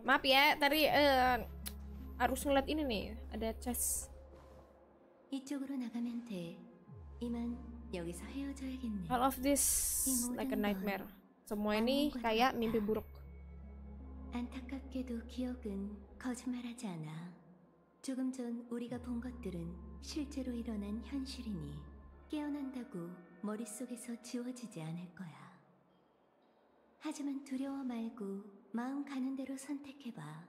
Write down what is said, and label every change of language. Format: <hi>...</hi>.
<id>Maaf ya, tadi harus ngeliat ini nih. Ada chest.</id> <ko>이쪽으로 나가면 돼. 이만 여기서 헤어져야겠네.</ko> <en>All of this like a nightmare.</en> <id>Semua ini kayak mimpi buruk.</id> <ko>안타깝게도 기억은 거짓말하지 않아. 조금 전 우리가 본 것들은 실제로 일어난 현실이니 깨어난다고 머릿속에서 지워지지 않을 거야. 하지만 두려워 말고 마음 가는 대로 선택해봐.</ko>